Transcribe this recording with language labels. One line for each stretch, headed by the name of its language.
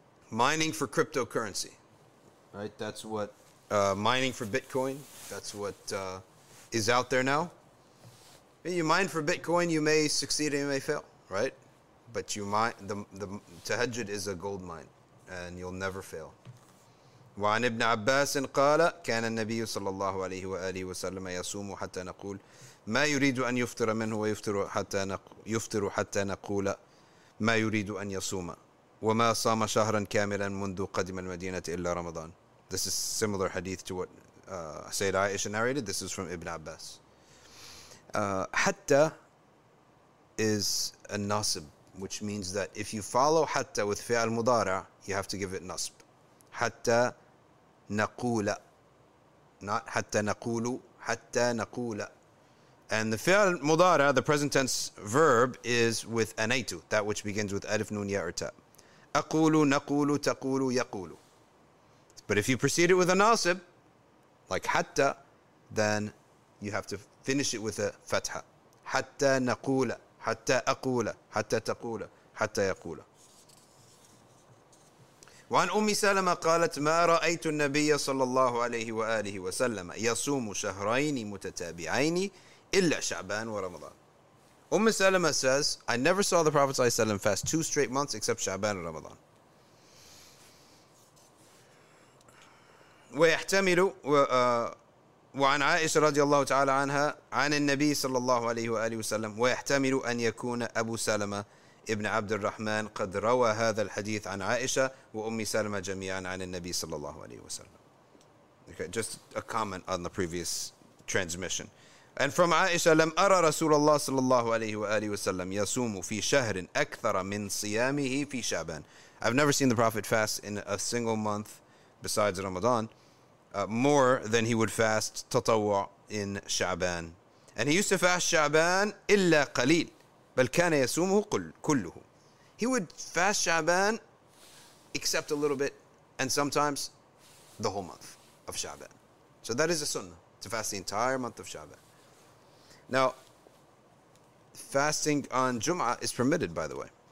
English: Mining for cryptocurrency, right? That's what mining for Bitcoin, that's what is out there now. You mine for Bitcoin, you may succeed and you may fail, right? But you mine, the tahajjud is a gold mine and you'll never fail.
Arabic: وعن ابن عباس قال كان النبي صلى الله عليه وآله وسلم يصوم حتى نقول ما يريد أن يفطر منه ويفطر حتى يفطر حتى نقول ما يريد أن يصوم وما صام شهرا كاملا منذ قدم المدينة إلا رمضان.
English: This is similar hadith to what Sayyid Aisha narrated. This is from Ibn Abbas. حتى is a nasb, which means that if you follow حتى with فعل مضارع, you have to give it nasb.
Arabic: حتى نقول,
English: not
Arabic: حتى نقول, حتى نقول.
English: And the fi'al mudara, the present tense verb, is with anaitu, that which begins with alif, nun, ya, or ta. Aqulu, naqulu, taqulu, yaqulu. But if you proceed it with a nasib, like hatta, then you have to finish it with a fatha.
Arabic: Hatta naqula, hatta aqula, hatta taqula, hatta yaqula. وعن أم سلمة قالت ما رأيت النبي صلى الله عليه وآله وسلم يصوم شهرين متتابعين إلا شعبان ورمضان.
English: Umm Salama says, I never saw the Prophet ﷺ fast two straight months except Sha'ban and Ramadan.
Arabic: ويحتمل وعن عائشة رضي الله تعالى عنها عن النبي صلى الله عليه وآله وسلم ويحتمل أن يكون أبو سلمة ابن عبد الرحمن قد روى هذا الحديث عن عائشة وأم سلمة جميعا عن النبي صلى الله عليه وسلم.
English: Okay, just a comment on the previous transmission. And from Aisha,
Arabic: لم أرى رسول الله صلى الله عليه وآله وسلم يصوم في شهر أكثر من صيامه في شعبان.
English: I've never seen the Prophet fast in a single month besides Ramadan more than he would fast تطوع in شعبان. And he used to fast
Arabic: شعبان إلا قليل بل كان يصومه كله.
English: He would fast شعبان except a little bit and sometimes the whole month of شعبان. So that is a sunnah, to fast the entire month of شعبان. Now, fasting on Jum'ah is permitted, by the way.